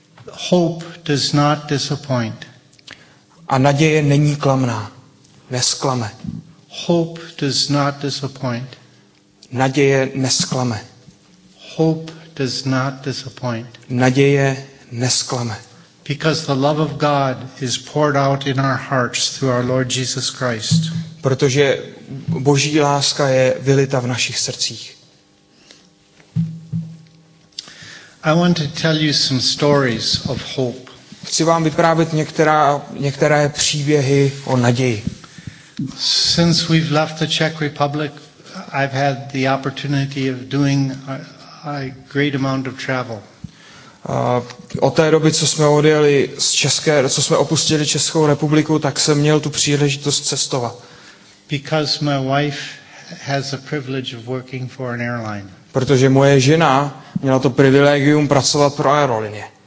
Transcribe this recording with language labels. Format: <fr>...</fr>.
<en>Hope does not disappoint.</en> <cs>A naděje není klamná. Nesklame.</cs> <en>Hope does not disappoint.</en> <cs>Naděje nesklame.</cs> <en>Hope does not disappoint.</en> <cs>Naděje nesklame.</cs> <en>Because the love of God is poured out in our hearts through our Lord Jesus Christ.</en> <cs>Protože Boží láska je vylita v našich srdcích.</cs> <en>I want to tell you some stories of hope.</en> <cs>Chci vám vyprávět některé příběhy o naději.</cs> <en>Since we've left the Czech Republic, I've had the opportunity of doing a great amount of travel.</en> <cs>Od té doby, co jsme odjeli z České, co jsme opustili Českou republiku, tak jsem měl tu příležitost cestovat.</cs> <en>Because my wife has the privilege of working for an airline.</en> <cs>Protože moje žena měla to privilegium pracovat pro aerolinie.</cs>